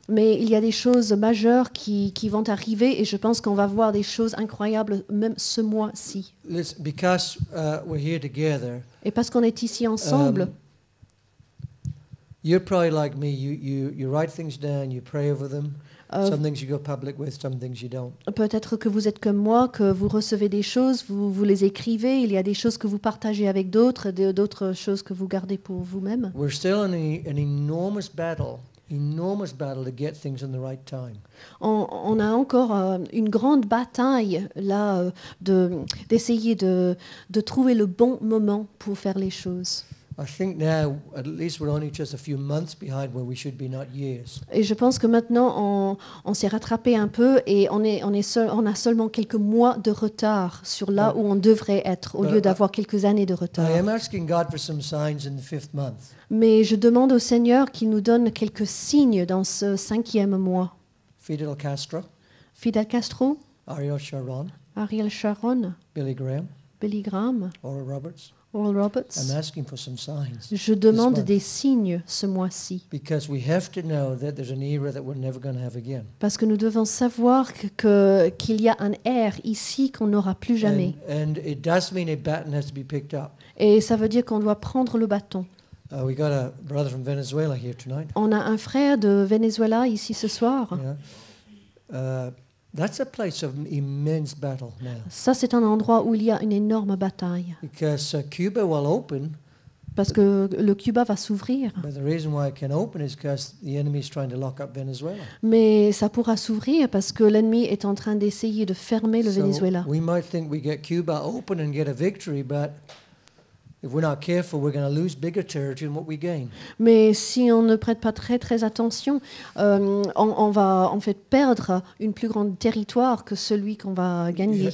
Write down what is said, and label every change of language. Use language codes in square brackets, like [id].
[fr] Mais il y a des choses majeures qui vont arriver, et je pense qu'on va voir des choses incroyables même ce mois-ci. [en] Listen, because we're here together. [fr] Et parce qu'on est ici ensemble. [en] You're probably like me. You write things down. You pray over them. Some things you go public with, some things you don't. [fr] Peut-être que vous êtes comme moi, que vous recevez des choses, vous les écrivez, il y a des choses que vous partagez avec d'autres, d'autres choses que vous gardez pour vous-même. [en] We're still in an enormous battle. Enormous battle to get things in the right time. [fr] On a encore une grande bataille là d'essayer de trouver le bon moment pour faire les choses. [en] I think now at least we're only just a few months behind where we should be, not years. [fr] Et je pense que maintenant on s'est rattrapé un peu et on a seulement quelques mois de retard sur là où on devrait être au lieu d'avoir quelques années de retard. [en] I am asking God for some signs in the fifth month. [fr] Mais je demande au Seigneur qu'il nous donne quelques signes dans ce cinquième mois. [en] Fidel Castro. Ariel Sharon. Billy Graham. Oral Roberts. I'm asking for some signs. [fr] Je demande des signes ce mois-ci. [en] Because we have to know that there's an era that we're never going to have again. [fr] Parce que nous devons savoir qu'il y a un air ici qu'on n'aura plus jamais. [en] And it does mean a baton has to be picked up. [fr] Et ça veut dire qu'on doit prendre le bâton. [en] We got a brother from Venezuela here tonight. [fr] On a un frère de Venezuela ici ce soir. [en] That's a place of immense battle now. [fr] Ça, c'est un endroit où il y a une énorme bataille. [en] Because Cuba will open. [fr] Parce que le Cuba va s'ouvrir. [en] But the reason why it can open is because the enemy is trying to lock up Venezuela. [fr] Mais ça pourra s'ouvrir parce que l'ennemi est en train d'essayer de fermer le Venezuela. [en] So we might think we get Cuba open and get a victory, but if we're not careful, we're going to lose bigger territory than what we gain. [fr] Mais si on ne prête pas très très attention, on va en fait perdre une plus grande territoire que celui qu'on va gagner.